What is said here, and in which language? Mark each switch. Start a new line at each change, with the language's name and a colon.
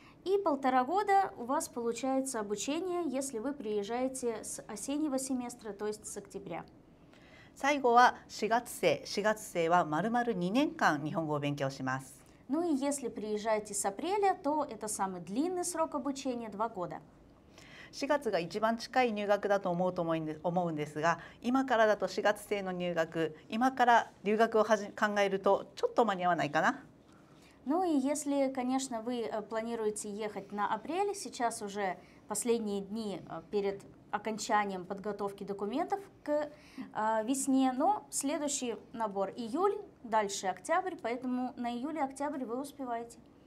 Russian: И полтора года у вас получается обучение, если вы приезжаете с осеннего семестра, то есть с октября.
Japanese: 最後は4月生。4月生は丸々2年間日本語を勉強します。
Russian: Ну и если приезжаете с апреля, то это самый длинный срок обучения, 2 года.
Japanese: 4月が一番近い入学だと思うんですが、今からだと4月生の入学、今から留学を考えるとちょっと間に合わないかな。
Russian: Ну и если, конечно, вы планируете ехать на апрель, сейчас уже последние дни перед окончанием подготовки документов к весне, но следующий набор июль, дальше октябрь, поэтому на июле-октябрь вы успеваете.